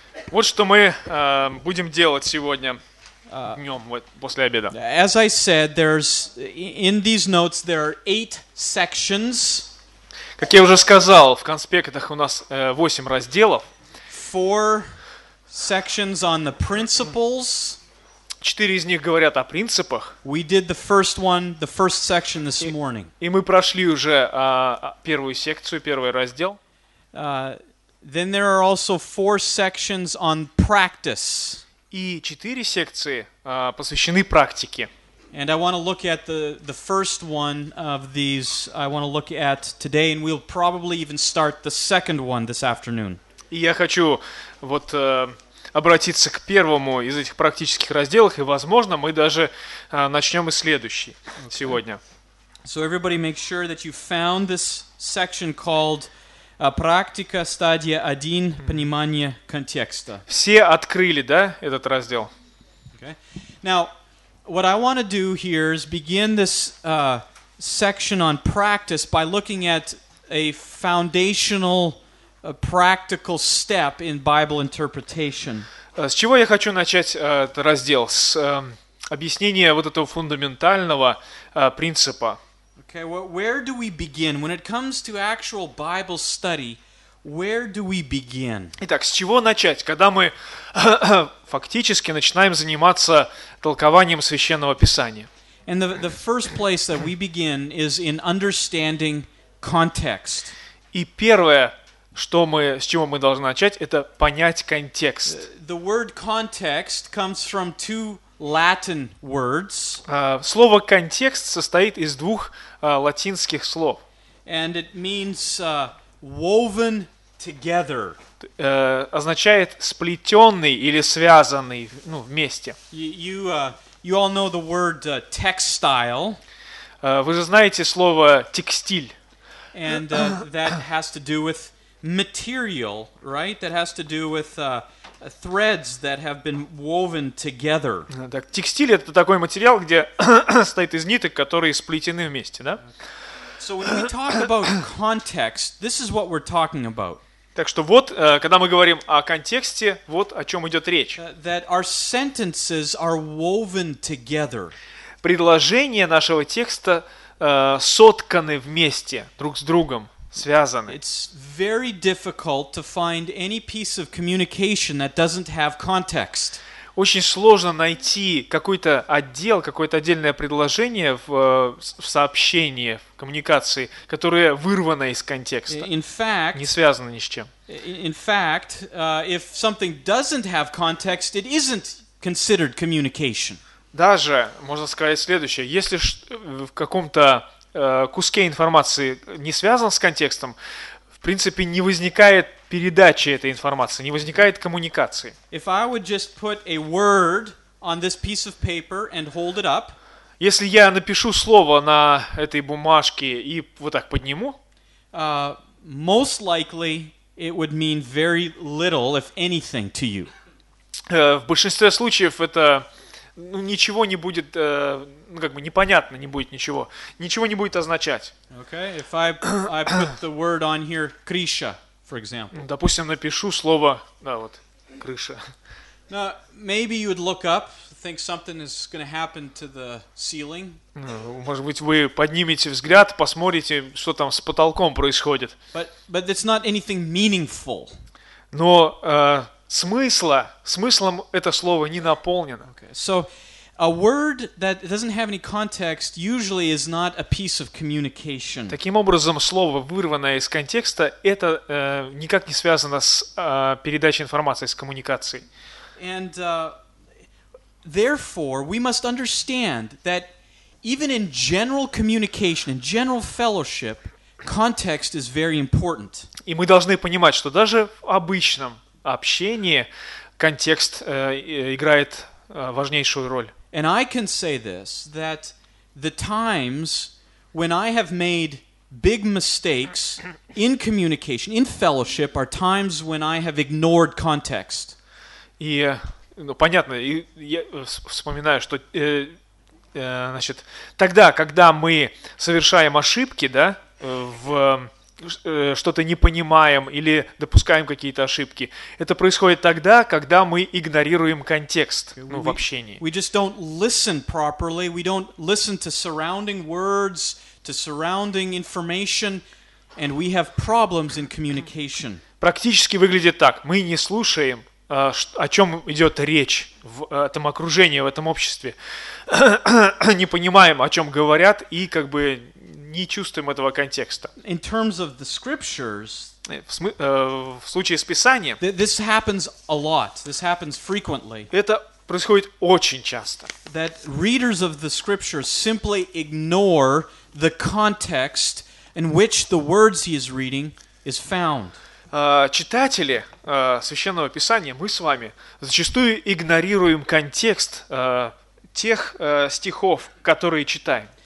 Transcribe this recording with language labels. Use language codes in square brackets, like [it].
[ru] Вот что мы будем делать сегодня днем, вот, после обеда. [en] As I said, there's in these notes there are 8 sections. [ru] Как я уже сказал, в конспектах у нас 8 разделов. [en] 4 sections on the principles. [ru] 4 из них говорят о принципах. [en] We did the first one, the first section this morning. [ru] И мы прошли уже первую секцию, первый раздел. [en] Then there are also 4 sections on practice. [ru] И 4 секции посвящены практике. [en] And I want to look at the first one of these. I want to look at today, and we'll probably even start the second one this afternoon. [ru] И я хочу вот обратиться к первому из этих практических разделов, и, возможно, мы даже начнем и следующий okay. сегодня. So everybody make sure that you found this section called «Практика, стадия 1. Понимание контекста». Все открыли, да, этот раздел? [en] Okay. Now, what I want to do here is begin this section on practice by looking at a foundational a practical step in Bible interpretation. [ru] С чего я хочу начать этот раздел? С объяснения вот этого фундаментального принципа. [en] Okay, well, where do we begin? When it comes to actual Bible study, where do we begin? [ru] Итак, с чего начать, когда мы фактически начинаем заниматься толкованием Священного Писания? [en] And the first place that we begin is in understanding context. [ru] И первое, что мы, с чего мы должны начать, это понять контекст. [en] The word context comes from two Latin words. [ru] Слово «контекст» состоит из двух латинских слов. [en] And it means woven together. [ru] Означает сплетенный или связанный, ну, вместе. [en] You all know the word textile. [ru] Вы же знаете слово «текстиль». [en] And that has to do with material, right? That has to do with threads that have been woven together. [ru] Так, текстиль — это такой материал, где стоит из ниток, которые сплетены вместе, да? [en] So when we talk about context, this is what we're talking about. [ru] Так что вот, когда мы говорим о контексте, вот о чем идет речь. [en] That our sentences are woven together. [ru] Предложения нашего текста сотканы вместе, друг с другом. Связаны. [en] It's very difficult to find any piece of communication that doesn't have context. [ru] Очень сложно найти какой-то отдел, какое-то отдельное предложение в сообщении, в коммуникации, которое вырвано из контекста. [en] In fact, [ru] не связано ни с чем. [en] In fact, if something doesn't have context, it isn't considered communication. [ru] Даже можно сказать следующее: если в каком-то куске информации не связан с контекстом, в принципе, не возникает передачи этой информации, не возникает коммуникации. [en] If I would just put a word on this piece of paper and hold it up, [ru] если я напишу слово на этой бумажке и вот так подниму, [en] most likely it would mean very little, if anything, to you. [ru] В большинстве случаев это, ну, ничего не будет, ну, как бы непонятно, не будет ничего. Ничего не будет означать. [en] Okay, if I put the word on here, Krisha, for example. [ru] Допустим, напишу слово, да, вот, крыша. [en] Now, maybe you would look up, think something is going to happen to the ceiling. [ru] Ну, может быть, вы поднимете взгляд, посмотрите, что там с потолком происходит. [en] But it's not anything meaningful. [ru] Но смыслом это слово не наполнено. [en] Okay, so A word that doesn't have any context usually is not a piece of communication. [ru] Таким образом, слово, вырванное из контекста, это никак не связано с передачей информации, с коммуникацией. [en] And therefore, we must understand that even in general communication, in general fellowship, context is very important. [ru] И мы должны понимать, что даже в обычном общении контекст играет важнейшую роль. [en] And I can say this, that the times when I have made big mistakes in communication, in fellowship, are times when I have ignored context. [ru] И, ну, понятно, и я вспоминаю, что, значит, тогда, когда мы совершаем ошибки, да, в что-то не понимаем или допускаем какие-то ошибки. Это происходит тогда, когда мы игнорируем контекст, ну, в общении. [en] We just don't listen properly. We don't listen to surrounding words, to surrounding information, and we have problems in communication. [ru] Практически выглядит так. Мы не слушаем, о чем идет речь в этом окружении, в этом обществе. Не понимаем, о чем говорят, и как бы не чувствуем этого контекста. [en] In terms of the scriptures, [ru] в случае с Писанием, [en] this happens a lot. This happens frequently. [ru] Это происходит очень часто. [en] That readers of the scriptures simply ignore the context in which the words he is reading is found. [ru] Читатели Священного Писания, мы с вами, зачастую игнорируем контекст тех стихов, которые читаем.